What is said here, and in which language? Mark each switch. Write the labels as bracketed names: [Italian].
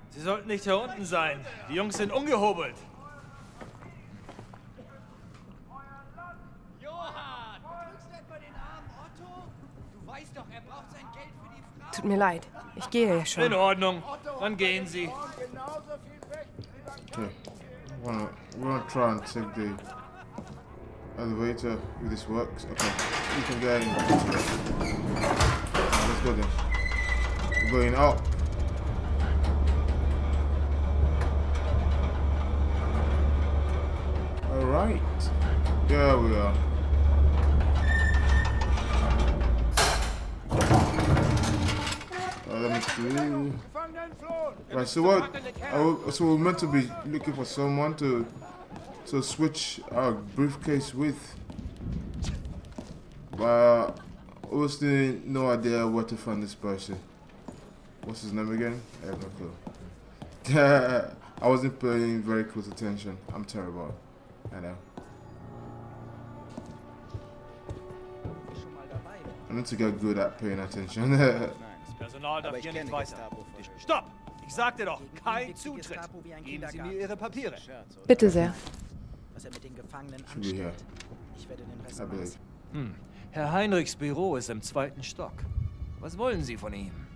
[German] Sie sollten nicht hier unten sein. Die Jungs sind ungehobelt. Tut mir leid, ich gehe ja schon. In Ordnung, dann gehen Sie. [English] Okay, we're gonna try and take the elevator if this works. Okay, we can go in. Let's go then. We're going up. Alright, there we are. Right, so we're meant to be looking for someone to switch our briefcase with, but obviously no idea where to find this person. What's his name again? I have no clue. I wasn't paying very close attention. I'm terrible. I know. I need to get good at paying attention. [German] Personal darf hier nicht weiter. Stopp! Ich sagte doch, kein Zutritt! Geben Sie mir Ihre Papiere. Bitte sehr. Was er mit den Gefangenen anstellt, ich werde den Rest machen. Herr Heinrichs Büro ist im zweiten Stock. Was wollen Sie von ihm?